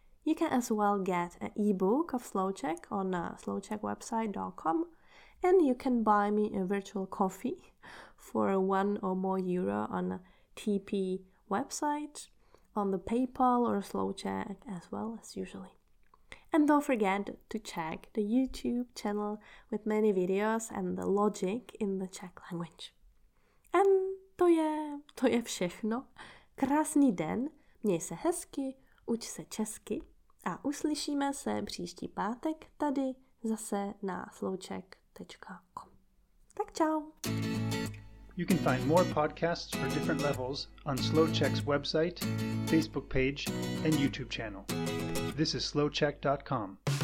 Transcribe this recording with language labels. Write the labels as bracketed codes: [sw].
[en] You can as well get an ebook of Slow Czech on slowczechwebsite.com, and you can buy me a virtual coffee for 1 or more euro on TP website, on the PayPal or Slow Czech as well as usually. And don't forget to check the YouTube channel with many videos and the logic in the Czech language. [cs] And to je všechno. Krásný den, měj se hezky, uč se česky a uslyšíme se příští pátek tady zase na slowczech.com. Tak čau! [en] You can find more podcasts for different levels on Slow Czech's website, Facebook page, and YouTube channel. This is slowczech.com.